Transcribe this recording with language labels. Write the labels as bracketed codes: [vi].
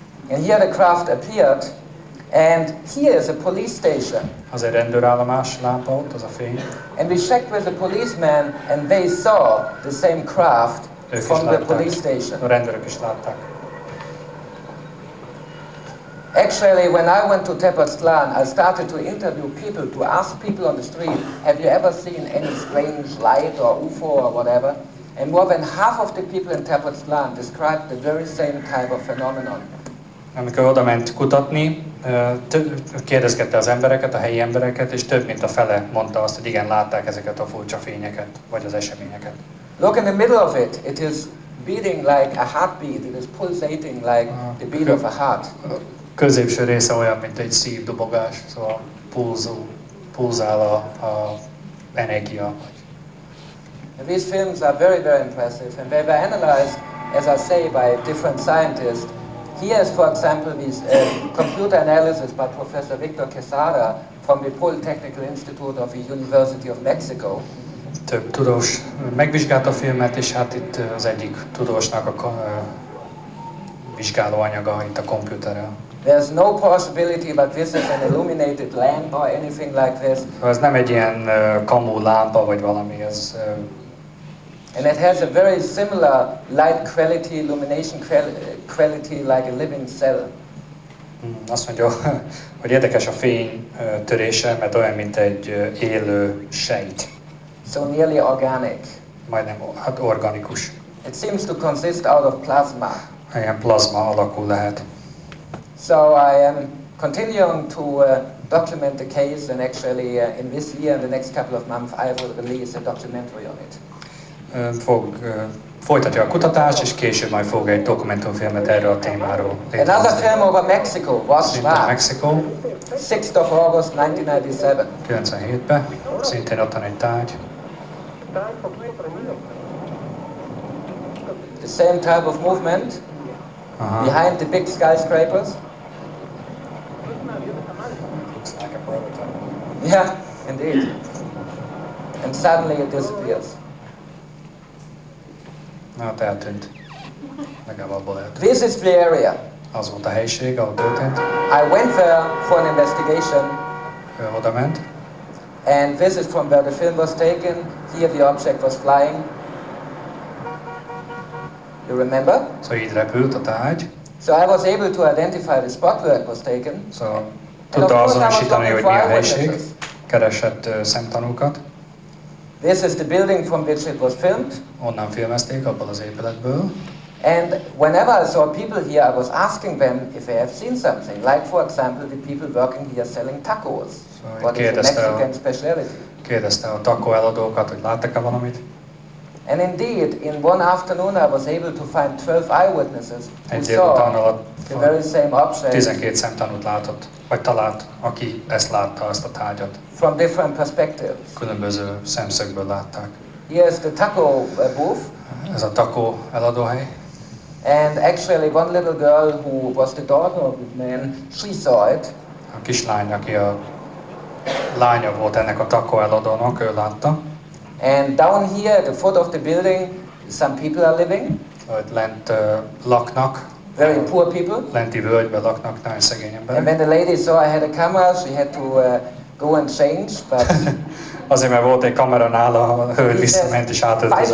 [en] And here the craft appeared, and here is a police station. [hu] Az egy rendőrállomás lámpa ott, az a fény. [en] And we checked with the policeman, and they saw the same craft from the police station. [hu] A rendőrök is látták. [en] Actually, when I went to Tepoztlán, I started to interview people, to ask people on the street, have you ever seen any strange light or UFO or whatever? And more than half of the people in Tepoztlán described the very same type of phenomenon. [hu] Amikor oda ment kutatni, kérdezgette az embereket, a helyi embereket, és több mint a fele mondta azt, hogy igen, látták ezeket a furcsa fényeket, vagy az eseményeket. [en] Look in the middle of it, it is beating like a heartbeat, it is pulsating like the beat of a heart. [hu] Középső része olyan, mint egy szívdobogás, szóval pulzál a energia. [en] These films are very, very impressive, and they were analyzed, as I say, by different scientists. Here is, for example, this computer analysis by Professor Victor Quesada from the Polytechnical Institute of the University of Mexico. [hu] Több tudós megvizsgálta a filmet, és hát itt az egyik tudósnak a vizsgálóanyaga itt a kompjúterrel. [en] There's no possibility that this is an illuminated lamp or anything like this. [hu] Ez nem egy ilyen kamu lámpa vagy valami, ez. [en] And it has a very similar light quality, illumination quality like a living cell. [hu] Azt mondja, hogy érdekes a fény törése, mert olyan, mint egy élő sejt. [en] So nearly organic. [hu] Majdnem, hát organikus. [en] It seems to consist out of plasma. [hu] Ilyen plazma alakú lehet. [en] So I am continuing to document the case, and actually in this year and the next couple of months I will release a documentary on it. [hu] Folytatja a kutatást, és később majd fog egy dokumentumfilmet erről a témáról létrehozni. [en] Another film over Mexico, was that? Mexico. 6th of August 1997. [hu] 97-ben, szintén ott van egy tárgy. [en] The same type of movement. Aha. Behind the big skyscrapers. Looks like a prototype. Yeah, indeed. And suddenly it disappears. [hu] Na, hát eltűnt. Legalább abból eltűnt. [en] This is the area. [hu] Az volt a helyiség, ahol történt. [en] I went there for an investigation. [hu] Ő oda ment. [en] And this is from where the film was taken. Here the object was flying. You remember? [hu] So így repült a tárgy. [en] So I was able to identify the spot where it was taken. [hu] So tudta azonosítani, hogy mi a helyiség. Keresett szemtanúkat. [en] This is the building from which it was filmed. [hu] Onnan filmezték, abból az épületből. [en] And whenever I saw people here, I was asking them if they have seen something. Like, for example, the people working here selling tacos. What is a Mexican speciality? [hu] Kérdezte a taco eladókat, hogy láttak-e valamit. [en] And indeed, in one afternoon I was able to find 12 eyewitnesses who saw the very same object. [hu] 12 szemtanút látott, vagy talált, aki ezt látta, azt a tárgyat. [en] From different perspectives. [hu] Különböző szemszögből látták. [en] Here's the taco booth. [hu] Ez a taco eladóhely. [en] And actually one little girl who was the daughter of the man, she saw it. [hu] A kislány, aki a lánya volt ennek a taco eladónak, ő látta. [en] And down here at the foot of the building some people are living. [hu] Ott lent laknak. [en] Very poor people. [hu] Lenti völgyben laknak, nagyon szegény emberek. [en] And when the lady saw I had a camera, she had to go and change, but... [hu] Azért, mert volt egy kamera nála, ő visszament és átöltözött.